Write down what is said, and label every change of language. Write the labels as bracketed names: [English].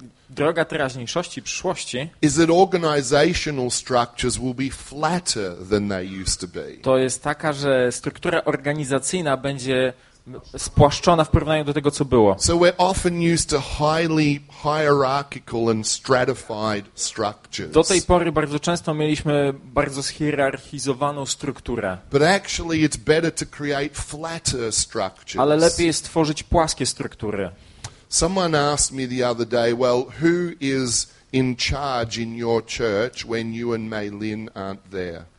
[Polish] droga teraźniejszości, przyszłości, [English] is that organizational structures will be flatter than they used to be. [Polish] To jest taka, że struktura organizacyjna będzie spłaszczona w porównaniu do tego, co było. [English] So we're often used to highly hierarchical and stratified structures. [Polish] Do tej pory bardzo często mieliśmy bardzo zhierarchizowaną strukturę. [English] But actually it's better to create flatter structures. [Polish] Ale lepiej jest stworzyć płaskie struktury. [English] Someone asked me the other day, well, who is in charge in your church when you and Mei Lin aren't there?